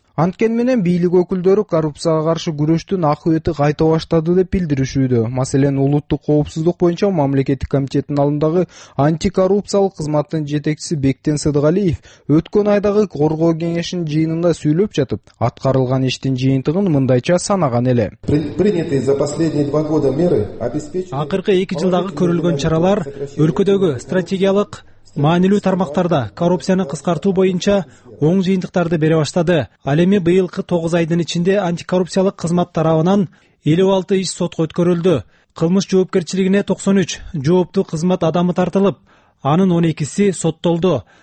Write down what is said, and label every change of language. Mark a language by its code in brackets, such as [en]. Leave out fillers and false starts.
[ky] Анткени менен бийлик өкүлдөрү коррупцияга каршы күрөштүн акыбети кайта баштады деп билдиришүүдө. Маселен, улуттук коопсуздук боюнча мамлекеттик комитеттин алдындагы антикоррупциялык кызматтын жетекчиси Бектен Сыдыгалиев өткөн айдагы коргоо кеңешинин жыйынында сүйлөп жатып, аткарылган иштин жыйынтыгын мындайча санаган эле. [ru] Принятые за последние 2 года меры обеспечили. [ky] Акыркы 2 жылдагы көрүлгөн чаралар өлкөдөгү стратегиялык маанилүү тармактарда коррупцияны кыскартуу боюнча оң жыйынтыктарды бере баштады. Ал эми быйылкы 9 айдын ичинде антикоррупциялык кызмат тарабынан 56 иш сотко өткөрүлдү. Кылмыш жоопкерчилигине 93 жооптуу кызмат адамы тартылып, анын 12 соттолду.